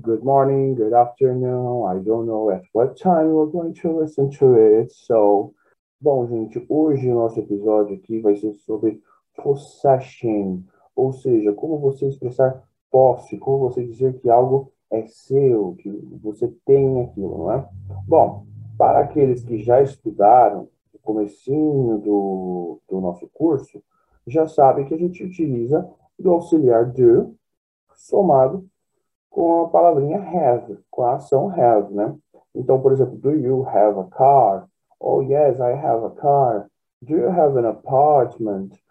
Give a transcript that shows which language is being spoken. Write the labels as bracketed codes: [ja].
[en] Good morning, good afternoon. I don't know at what time you're going to listen to it. [pt] So, bom, gente, hoje o nosso episódio aqui vai ser sobre possession, ou seja, como você expressar posse, como você dizer que algo é seu, que você tem aquilo, não é? Bom, para aqueles que já estudaram o comecinho do nosso curso, já sabem que a gente utiliza do auxiliar do somado com a palavrinha have, com a ação have, né? Então, por exemplo, [en] do you have a car? Oh, yes, I have a car. Do you have an apartment?